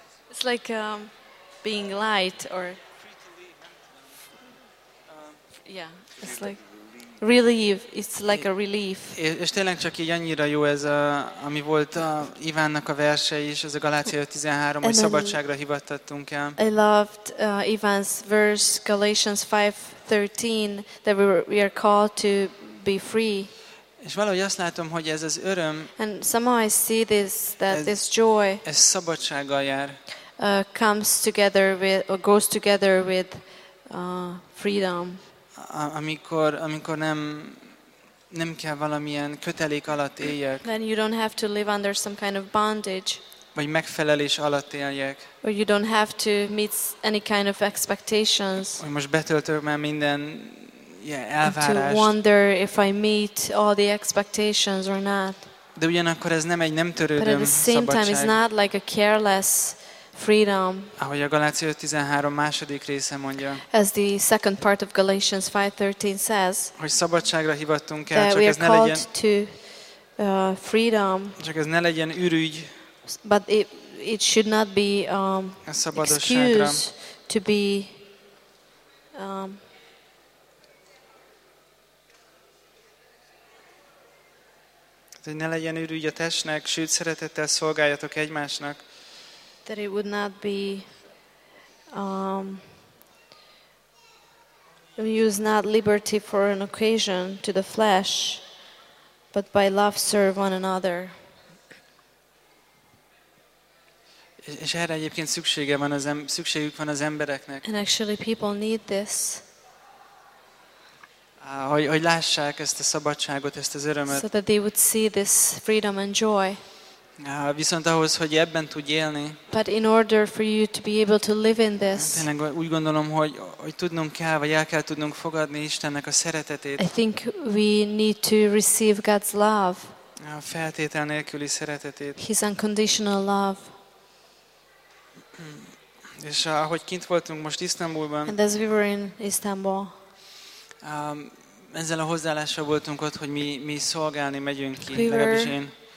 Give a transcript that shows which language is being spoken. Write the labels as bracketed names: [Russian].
[English] It's like being light or yeah, it's like relief. It's like a relief. [Hungarian] És tényleg csak így annyira jó ez ami volt Ivánnak a verse is, ez a Galácia 5:13, hogy szabadságra hivatattunk el. [English] I loved Ivan's verse, Galatians 5:13, that we are called to be free. [Hungarian] És valahogy azt látom, hogy ez az öröm. [English] And somehow I see this, that this joy. [Hungarian] Ez szabadsággal jár. [English] Comes together with or goes together with freedom. [Hungarian] Amikor nem kell valamilyen kötelék alatt éljek. [English] Then you don't have to live under some kind of bondage. [Hungarian] Vagy megfelelés alatt éljek. [English] Or you don't have to meet any kind of expectations. [Hungarian] Vagy most betöltök már minden elvárást. [English] To wonder if I meet all the expectations or not. [Hungarian] De ugyanakkor ez nem egy nem törődöm szabadság. [English] But at the same time, it's not like a careless freedom. [Hungarian] Ahogy a Galácia 5:13 második része mondja. [English] As the second part of Galatians 5:13 says. [Hungarian] Hogy szabadságra hivattunk el, csak ez ne legyen. [English] To freedom. [Hungarian] Csak ez ne legyen ürügy. [English] But it should not be excuse to be [Hungarian] hogy ne legyen ürügy a testnek, sőt szeretettel szolgáljatok egymásnak. [English] That it would not be use not liberty for an occasion to the flesh, but by love serve one another. [Hungarian] És erre egyébként szükségük van az embereknek. [English] And actually people need this. [Hungarian] Hogy lássák ezt a szabadságot, ezt az örömet. [English] So that they would see this freedom and joy. [Hungarian] Viszont ahhoz, hogy ebben tudj élni. [English] But in order for you to be able to live in this. [Hungarian] Tényleg úgy gondolom, hogy tudnunk kell, vagy el kell tudnunk fogadni Istennek a szeretetét. [English] I think we need to receive God's love. [Hungarian] A feltétel nélküli szeretetét. [English] His unconditional love. [Hungarian] És ahogy kint voltunk most Isztambulban. [English] And as we were in Istanbul. [Hungarian] Ezzel a hozzáállással voltunk ott, hogy mi szolgálni megyünk ki, legalábbis én.